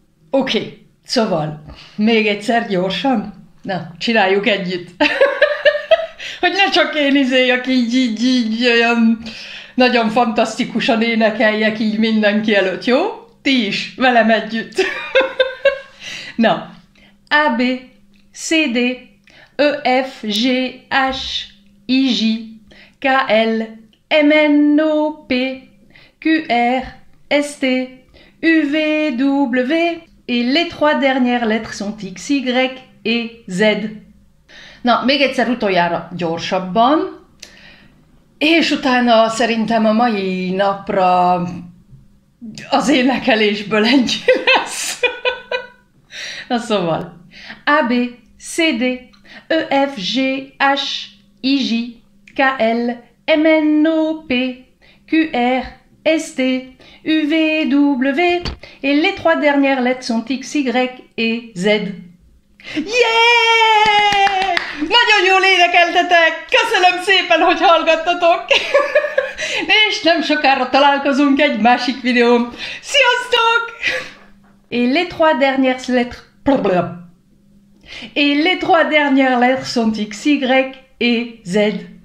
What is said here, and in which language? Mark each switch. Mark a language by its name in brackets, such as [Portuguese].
[Hungarian] Oké. Okay. Szóval, még egyszer gyorsan? Na, csináljuk együtt. Hogy ne csak én izéljek így olyan nagyon fantasztikusan énekeljek így mindenki előtt, jó? Ti is, velem együtt. [French] Na, A, B, C, D, E, F, G, H, I, J, K, L, M, N, O, P, Q, R, S, T, U, V, W, et les trois dernières lettres sont X, Y et Z. [Hungarian] Na, még egyszer utoljára gyorsabban. És utána szerintem a mai napra az énekelésből ennyi lesz. Na szóval. [French] A, B, C, D, E, F, G, H, I, J, K, L, M, N, O, P, Q, R, S, T, U, V, W, et les trois dernières lettres sont X, Y et Z. [English] Yeah! [Hungarian] Nagyon jól énekeltetek! Köszönöm szépen, hogy hallgattatok! És nem sokára találkozunk egy másik videón. Sziasztok! [French] Et les trois dernières lettres... Et les trois dernières lettres sont X, Y et Z.